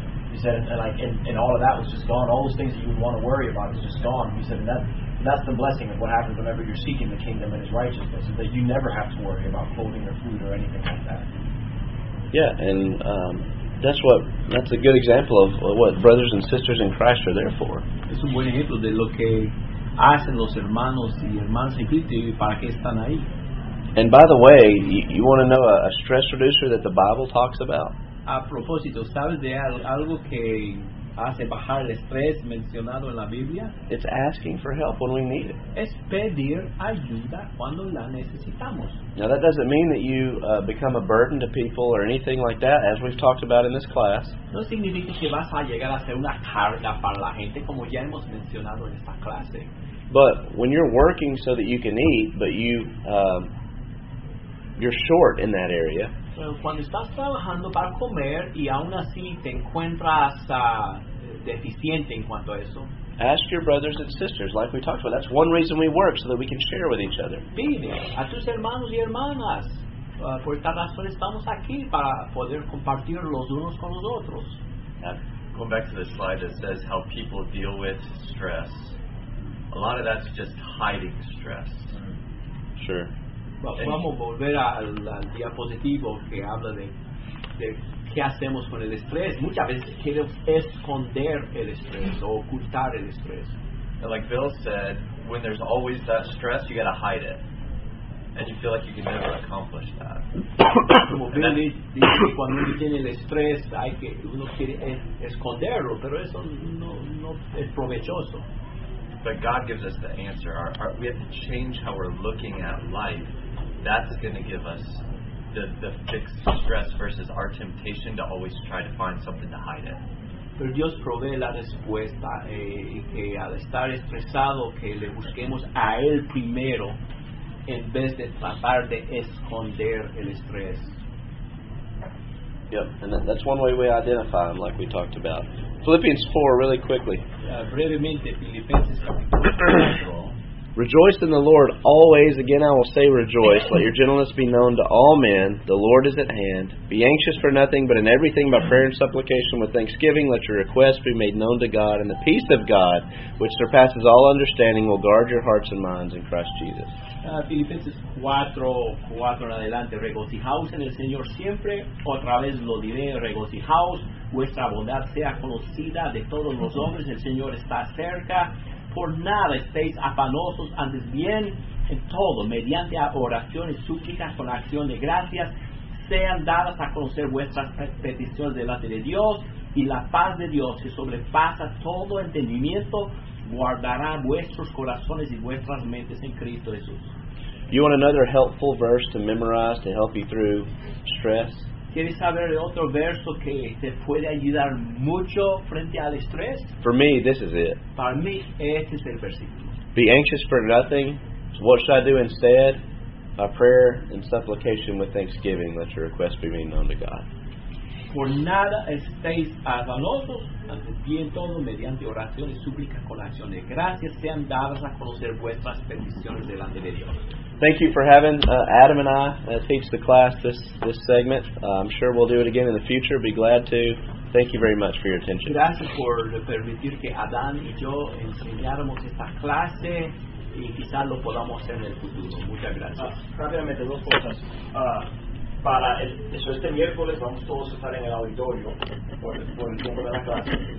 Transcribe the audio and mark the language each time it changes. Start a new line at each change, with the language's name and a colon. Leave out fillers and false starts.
English: He said, and all of that was just gone. All those things that you would want to worry about is just gone. He said, and that's the blessing of what happens whenever you're seeking the kingdom and his righteousness, is that you never have to worry about clothing or food or anything like that. Yeah, and that's a good example of what brothers and sisters in Christ are there for.
Spanish: Es un buen ejemplo de lo que hacen los hermanos y hermanas en Cristo y para qué están ahí.
English: And by the way, you want to know a stress reducer that the Bible talks about?
Spanish: A propósito, ¿sabes de algo que hace bajar el estrés mencionado en la Biblia?
English: It's asking for help when we need it.
Spanish: Es pedir ayuda cuando la necesitamos.
English: Now that doesn't mean that you become a burden to people or anything like that, as we've talked about in this class.
Spanish: No significa que vas a llegar a ser una carga para la gente, como ya hemos mencionado en esta clase.
English: But when you're working so that you can eat, but you you're short in that area.
Spanish: Cuando estás trabajando para comer y aún así te encuentras deficiente en cuanto a eso.
English: Ask your brothers and sisters, like we talked about. That's one reason we work, so that we can share with each other.
Spanish: Pide a tus hermanos y hermanas. Por esta razón estamos aquí, para poder compartir los unos con los otros.
English: Going back to the slide that says how people deal with stress. A lot of that's just hiding stress. Sure.
Spanish: Well, vamos volver al diapositivo que habla de qué hacemos con el estrés. Muchas veces queremos esconder el estrés o ocultar el estrés.
English: And like Bill said, when there's always that stress, you got to hide it. And you feel like you can never accomplish that.
Spanish: Como Bill dice, cuando uno tiene el estrés, hay que uno quiere esconderlo, pero eso no es provechoso.
English: But God gives us the answer. We have to change how we're looking at life. That's going to give us the fixed stress versus our temptation to always try to find something to hide it.
Spanish: Pero Dios provee la respuesta que al estar estresado que le busquemos a Él primero en vez de tratar de esconder el estrés.
English: Yep, and that's one way we identify them, like we talked about. Philippians 4, really quickly.
Spanish: Brevemente, Filipenses capítulo 4.
English: Rejoice in the Lord always. Again, I will say rejoice. Let your gentleness be known to all men. The Lord is at hand. Be anxious for nothing, but in everything by prayer and supplication with thanksgiving, let your requests be made known to God. And the peace of God, which surpasses all understanding, will guard your hearts and minds in Christ Jesus.
Spanish: Filipenses 4:4 en adelante. Regocijaos en el Señor siempre. Otra vez lo diré. Regocijaos. Vuestra bondad sea conocida de todos los hombres. El Señor está cerca. Por nada estéis afanosos, antes bien en todo, mediante oraciones, súplicas, con acción de gracias, sean dadas a conocer vuestras peticiones delante de Dios. Y la paz de Dios, que sobrepasa todo entendimiento, guardará vuestros corazones y vuestras mentes en Cristo Jesús.
English: You want another helpful verse to memorize to help you through stress?
Spanish: ¿Quieres saber de otro verso que te puede ayudar mucho frente al estrés?
English: For me, this is it.
Spanish: Para mí, este es el versículo.
English: Be anxious for nothing. What should I do instead? By prayer and supplication with thanksgiving, let your requests be made known to God.
Spanish: Por nada estéis afanosos, antes bien todo, mediante oración y súplica con acción de gracias, sean dadas a conocer vuestras peticiones delante de Dios.
English: Thank you for having Adam and I teach the class this segment. I'm sure we'll do it again in the future. Be glad to. Thank you very much for your attention.
Spanish: Gracias por permitir que Adam y yo enseñáramos esta clase y quizás lo podamos hacer en el futuro. Muchas gracias. Rápidamente, dos cosas. Para este miércoles vamos todos a estar en el auditorio por el tiempo de la clase.